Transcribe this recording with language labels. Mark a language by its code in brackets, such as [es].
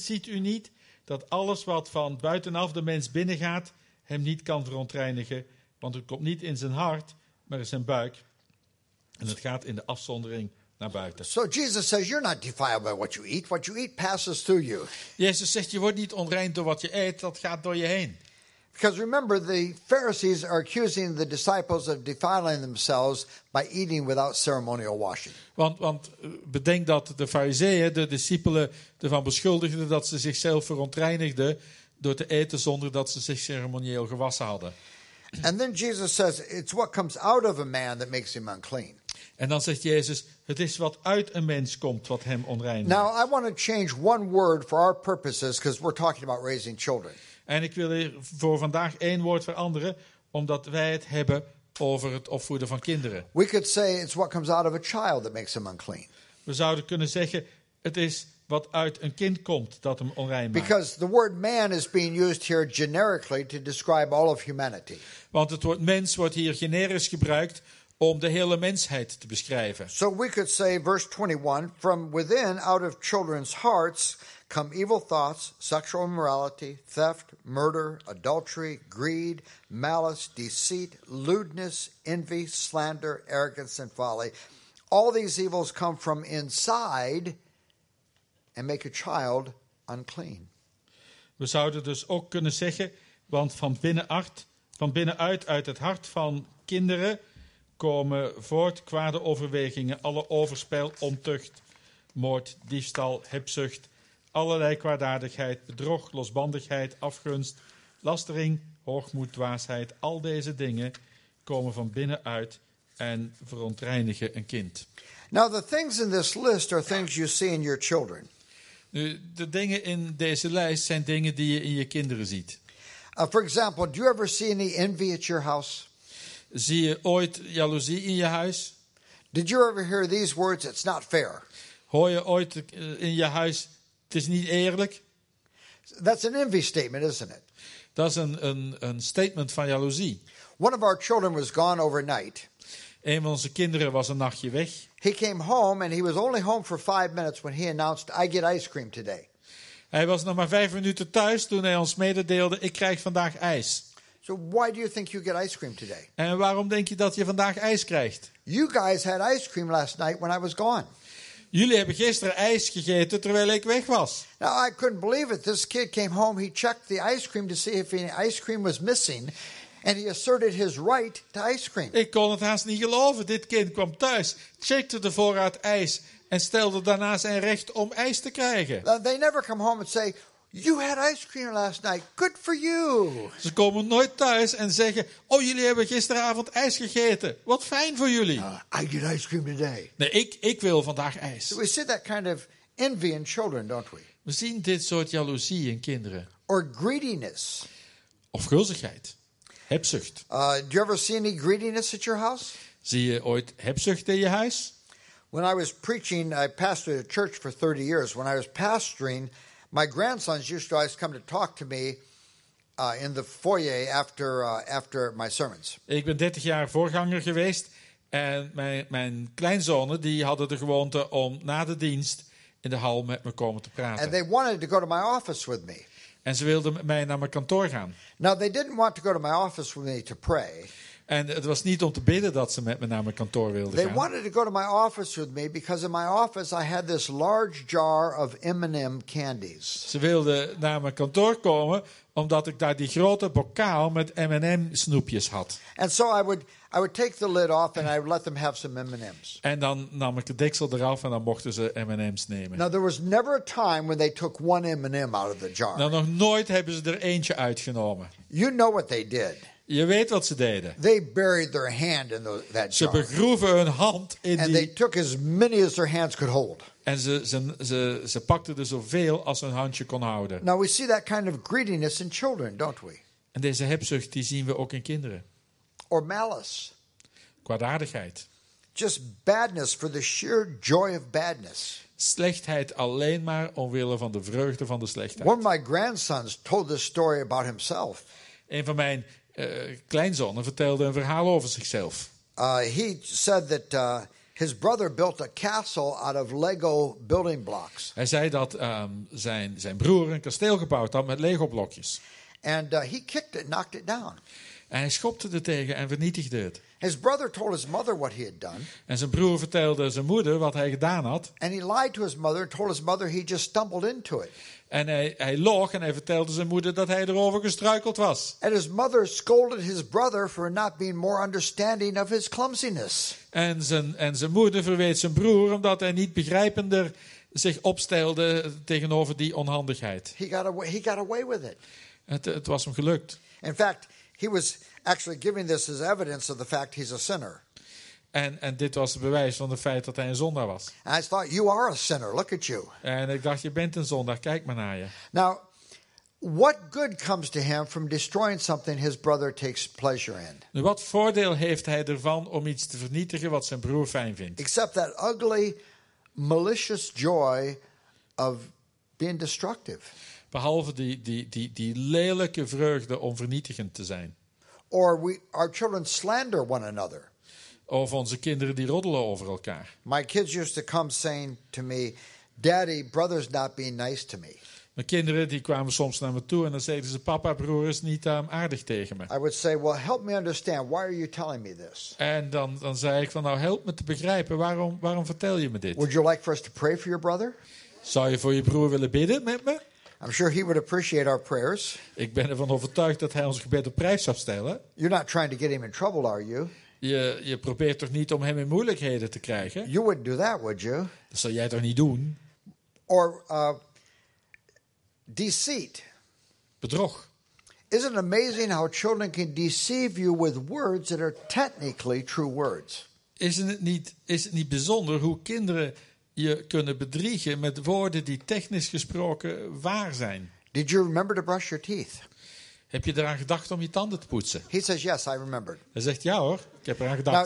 [nl] Ziet u niet dat alles wat van buitenaf de mens binnengaat, hem niet kan verontreinigen? Want het komt niet in zijn hart, maar in zijn buik. En het gaat in de afzondering naar buiten. [en] So Jesus says, you're not defiled by what you eat. What you eat passes through you. [nl] Jezus zegt, je wordt niet onrein door wat je eet. Dat gaat door je heen. [en] Because remember, the Pharisees are accusing the disciples of defiling themselves by eating without ceremonial washing. [nl] Want bedenk dat de Farizeeën, de discipelen, ervan beschuldigden dat ze zichzelf verontreinigden door te eten zonder dat ze zich ceremonieel gewassen hadden. [en] And then Jesus says, it's what comes out of a man that makes him unclean. [nl] En dan zegt Jezus, het is wat uit een mens komt wat hem onrein maakt. [en] Now I want to change one word for our purposes because we're talking about raising children. [nl] En ik wil hier voor vandaag één woord veranderen, omdat wij het hebben over het opvoeden van kinderen. [en] We could say it's what comes out of a child that makes him unclean. [nl] We zouden kunnen zeggen, het is wat uit een kind komt dat hem onrein maakt. [en] Because the word man is being used here generically to describe all of humanity. [nl] Want het woord mens wordt hier generisch gebruikt om de hele mensheid te beschrijven. [en] So we could say verse 21, from within, out of children's hearts, come evil thoughts, sexual immorality, theft, murder, adultery, greed, malice, deceit, lewdness, envy, slander, arrogance, and folly. All these evils come from inside and make a child unclean. [nl] We zouden dus ook kunnen zeggen, want van binnenuit uit het hart van kinderen komen voort kwade overwegingen, alle overspel, ontucht, moord, diefstal, hebzucht, allerlei kwaadaardigheid, bedrog, losbandigheid, afgunst, lastering, hoogmoed, dwaasheid. Al deze dingen komen van binnenuit en verontreinigen een kind. [en] Now the things in this list are things you see in your children. [nl] Nu, de dingen in deze lijst zijn dingen die je in je kinderen ziet. [en] For example, do you ever see any envy at your house? [nl] Zie je ooit jaloezie in je huis? [en] Did you ever hear these words, it's not fair? [nl] Hoor je ooit in je huis, het is niet eerlijk? [en] That's an envy statement, isn't it? [nl] Dat is een statement van jaloezie. [en] One of our children was gone overnight. [nl] Een van onze kinderen was een nachtje weg. [en] He came home and he was only home for 5 minutes when he announced, I get ice cream today. [nl] Hij was nog maar 5 minuten thuis toen hij ons mededeelde, ik krijg vandaag ijs. [en] So why do you think you get ice cream today? [nl] En waarom denk je dat je vandaag ijs krijgt? [en] You guys had ice cream last night when I was gone. [nl] Jullie hebben gisteren ijs gegeten terwijl ik weg was. [en] Now I couldn't believe it. This kid came home, he checked the ice cream to see if any ice cream was missing. and he asserted his right to ice cream. [nl] Ik kon het haast niet geloven. Dit kind kwam thuis, checkte de voorraad ijs en stelde daarna zijn recht om ijs te krijgen. [en] They never come home and say, "You had ice cream last night. Good for you." [nl] Ze komen nooit thuis en zeggen: "Oh, jullie hebben gisteravond ijs gegeten. Wat fijn voor jullie." [en] I get ice cream today. [nl] Nee, ik wil vandaag ijs. [en] We see that kind of envy in children, don't we? [nl] We zien dit soort jaloezie in kinderen. [en] Or greediness. [nl] Of gulzigheid. Hebzucht. [en] Do you ever see any greediness at your house? [nl] Zie je ooit hebzucht in je huis? [en] When I was preaching, I pastored a church for 30 years. When I was pastoring, my grandsons used to always come to talk to me in the foyer after my sermons. [nl] Ik ben 30 jaar voorganger geweest en mijn kleinzonen die hadden de gewoonte om na de dienst in de hal met me komen te praten. [en] And they wanted to go to my office with me. [nl] En ze wilden met mij naar mijn kantoor gaan. [en] Now they didn't want to go to my office with me to pray. [nl] En het was niet om te bidden dat ze met me naar mijn kantoor wilden [en] they [nl] gaan. [en] They wanted to go to my office with me because in my office I had this large jar of M&M candies. [nl] Ze wilden naar mijn kantoor komen omdat ik daar die grote bokaal met M&M snoepjes had. [en] And so I would take the lid off and I would let them have some M&M's. [nl] En dan nam ik de deksel eraf en dan mochten ze M&M's nemen. [en] Now there was never a time when they took one M&M out of the jar. [nl] Nou, nog nooit hebben ze er eentje uitgenomen. [en] You know what they did. [nl] Je weet wat ze deden. [en] They buried their hand in that jar. [nl] Ze begroeven hun hand in [en] and And they took as many as their hands could hold. [nl] En ze pakten er zoveel als hun handje kon houden. [en] Now we see that kind of greediness in children, don't we? [nl] En deze hebzucht die zien we ook in kinderen. [en] Or malice. [nl] Kwaadaardigheid. [en] Just badness for the sheer joy of badness. [nl] Slechtheid alleen maar omwille van de vreugde van de slechtheid. [en] One of my grandsons told this story about himself. [nl] Een van mijn kleinzonen vertelde een verhaal over zichzelf. [en] He said that his brother built a castle out of Lego building blocks. [nl] Hij zei dat zijn broer een kasteel gebouwd had met Lego blokjes. [en] And he kicked it, knocked it down. [nl] En hij schopte er tegen en vernietigde het. [en] His brother told his mother what he had done. [nl] En zijn broer vertelde zijn moeder wat hij gedaan had. [en] And he lied to his mother and told his mother he just stumbled into it. [nl] En hij loog en hij vertelde zijn moeder dat hij erover gestruikeld was. [en] And his mother scolded his brother for not being more understanding of his clumsiness. [nl] En zijn moeder verweet zijn broer omdat hij niet begrijpender zich opstelde tegenover die onhandigheid. [en] He got away with it. [nl] Het was hem gelukt. [en] In fact, he was actually giving this as evidence of the fact he's a sinner. [nl] En dit was het bewijs van het feit dat hij een zondaar was. [en] And I thought, you are a sinner. Look at you. [nl] En ik dacht, je bent een zondaar. Kijk maar naar je. [en] Now, what good comes to him from destroying something his brother takes pleasure in? [nl] Nu, wat voordeel heeft hij ervan om iets te vernietigen wat zijn broer fijn vindt? [en] Except that ugly, malicious joy of being destructive. [nl] Behalve die lelijke vreugde om vernietigend te zijn. [en] Or our children slander one another. [nl] Of onze kinderen die roddelen over elkaar. [en] My kids used to come saying to me, "Daddy, brother's not being nice to me." [nl] Mijn kinderen die kwamen soms naar me toe en dan zeiden ze: "Papa, broer is niet aardig tegen me." [en] I would say, "Well, help me understand. Why are you telling me this?" [nl] En dan zei ik van: "Nou, help me te begrijpen. Waarom vertel je me dit?" [en] Would you like for us to pray for your brother? [nl] Zou je voor je broer willen bidden met me? [en] I'm sure he would appreciate our prayers. [nl] Ik ben ervan overtuigd dat hij ons gebed op prijs zou stellen. [en] You're not trying to get him in trouble, are you? [nl] Je probeert toch niet om hem in moeilijkheden te krijgen? [en] You wouldn't do that, would you? [nl] Dat zou jij toch niet doen? [en] Or deceit. [nl] Bedrog. [en] Isn't it amazing how children can deceive you with words that are technically true words? [nl] Is het niet bijzonder hoe kinderen je kunnen bedriegen met woorden die technisch gesproken waar zijn? [en] Did you remember to brush your teeth? [nl] Heb je eraan gedacht om je tanden te poetsen? [en] He says yes, I remembered. [nl] Hij zegt ja hoor, ik heb eraan gedacht.